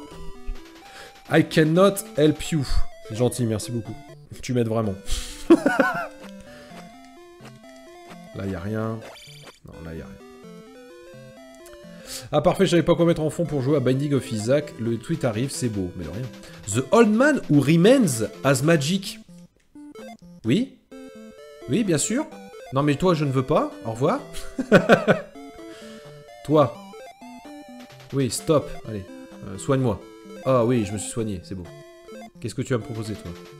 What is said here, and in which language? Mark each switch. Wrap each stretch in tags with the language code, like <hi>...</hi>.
<en>Oh. I cannot help you.</en> <fr>C'est gentil, merci beaucoup. Tu m'aides vraiment. Là, y a rien. Non, là, y a rien. Ah parfait, j'avais pas quoi mettre en fond pour jouer à Binding of Isaac. Le tweet arrive, c'est beau, mais de rien.</fr> <en>The old man who remains as magic.</en> <fr>Oui? Oui, bien sûr. Non mais toi, je ne veux pas. Au revoir. Toi. Oui, stop. Allez, soigne-moi. Ah oui, je me suis soigné, c'est beau. Qu'est-ce que tu vas me proposer, toi?</fr>